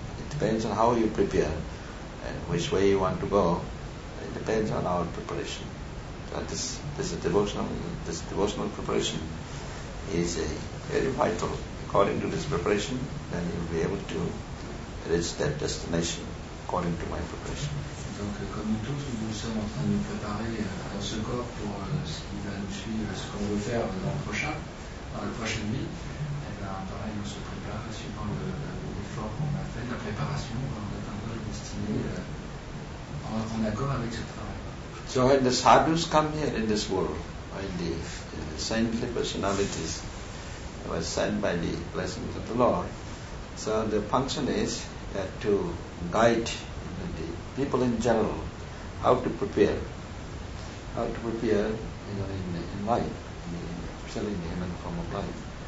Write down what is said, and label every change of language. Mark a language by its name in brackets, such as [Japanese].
[English] Depends on how you prepare and which way you want to go. It depends on our preparation. But this devotional preparation is a very vital. According to this preparation, then you'll be able to reach that destination according to my preparation. [French] Donc comme tous, nous sommes en train de nous préparer dans ce corps pour ce qui va nous suivre, ce qu'on veut faire l'an prochain, dans la prochaine vie. Et bien pareil, on se prépare suivant l'effort qu'on a fait, la préparation, on a un goal destiné en accord avec ce travail. [English] So when the sadhus come here in this world, when the saintly personalities were sent by the blessings of the Lord, so the function is to guide the people in general how to prepare you know, in life, especially in the human form of life.